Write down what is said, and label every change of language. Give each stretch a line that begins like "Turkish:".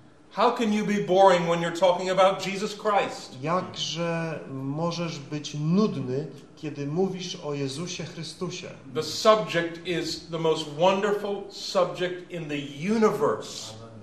English: How can you be boring when you're talking about Jesus Christ?
Polish: Jakże możesz być nudny, kiedy mówisz o Jezusie Chrystusie?
English: The subject is the most wonderful subject in the universe.